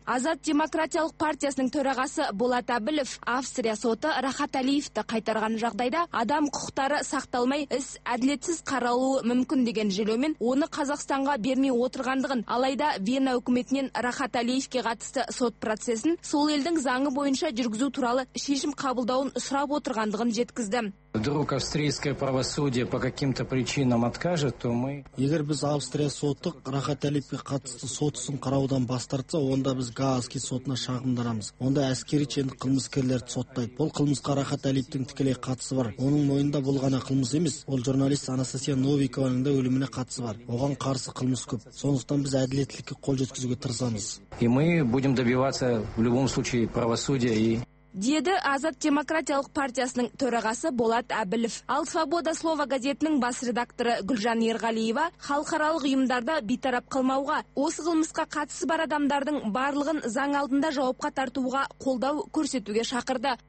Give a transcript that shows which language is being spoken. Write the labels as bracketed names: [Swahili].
[Kazakh] Азат демократиялық партиясының төрағасы Болат Әбілов, Австрия соты Рахат Алиевті қайтарған жағдайда адам құқықтары сақталмай, іс әділетсіз қаралуы мүмкін деген желеумен оны Қазақстанға бермей отырғандығын, алайда Вена үкіметінен Рахат Алиевке қатысты сот процесін сол елдің заңы бойынша жүргізу туралы шешім қабылдауын сұрап отырғандығын жеткізді. [Russian] Вдруг австрийское правосудие по каким-то причинам откажет, то мы... [Kazakh] Егер біз Австрия соттық, Рахат Алиевке қатысты сотысын қараудан бастартса, онда біз Гааски сотына шағымдарамыз. Онда әскери чен қылмыскерлерді соттайды. Бұл қылмысқа Рахат Алиевтің тікелей қатысы бар. Оның мойнында бұл ғана қылмыс емес. Ол журналист Анастасия Новикованың да өліміне қатысы бар. Оған қарсы қылмыс көп. Сондықтан біз әділеттілікке қол жеткізуге тырысамыз. [Russian] И мы будем добиваться в любом случае правосудия и... [Kazakh] Деді Азат демократиялық партиясының төрағасы Болат Әбілов. Ал «Свобода слова» газетінің бас редакторы Гүлжан Ерғалиева халықаралық ұйымдарда бейтарап қалмауға, осы қылмысқа қатысы бар адамдардың барлығын заң алдында жауапқа тартуға қолдау көрсетуге шақырды.